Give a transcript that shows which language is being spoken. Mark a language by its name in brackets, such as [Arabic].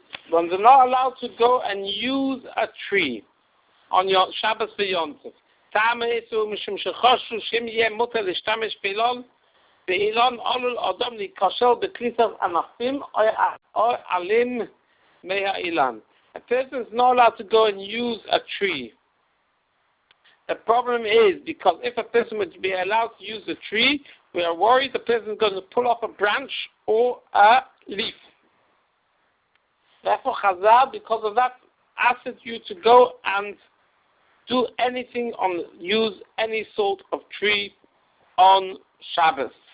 [English] When they're not allowed to go and use a tree on your Shabbos ויונטף. [Hebrew] טעמי איסור משום שחושב שאם יהיה מותר להשתמש באילון, באילון עלול אדם להיכשל בקליטת ענפים או עלים מהאילן. [English] A person is not allowed to go and use a tree. The problem is, because if a person would be allowed to use a tree, we are worried the person is going to pull off a branch or a leaf. Therefore, Chazal, because of that, asked you to go and do anything on, use any sort of tree on Shabbos.